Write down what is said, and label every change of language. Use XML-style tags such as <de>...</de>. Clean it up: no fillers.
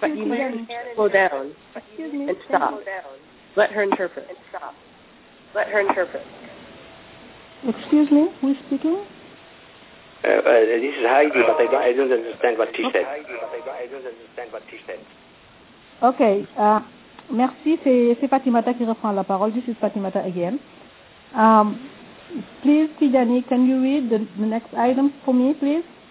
<en>but you need to slow down and stop. Let her interpret. And stop. Let her interpret. Excuse me, who's speaking? This is Heidi, but I don't understand what she said.</en> <fr>Okay, merci, c'est Fatimata qui reprend la parole.</fr> <en>This is Fatimata again. Please, Tijani, can you read the next item for me, please?</en>